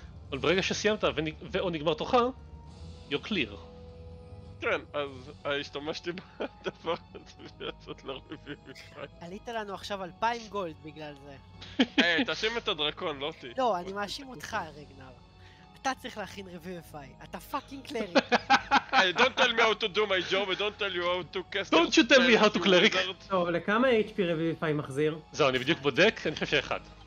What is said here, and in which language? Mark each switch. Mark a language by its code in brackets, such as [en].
[he] אבל ברגע שסיימת ואו נגמר תוכה, [en] you're clear. [he] כן, אז השתמשתי בדבר הזה לעשות לרוויפיי. עלית לנו עכשיו 2,000 גולד בגלל זה. היי, תאשים את הדרקון, לא אותי. לא, אני מאשים אותך, רגנר. אתה צריך להכין רוויפיי, אתה פאקינג קלריק. [en] I don't tell me how to do my job, I don't tell you how to cast a... Don't you tell me how to cleric. [he] טוב, לכמה HP רוויפיי מחזיר? זהו, אני בדיוק בודק, אני חושב שאחד.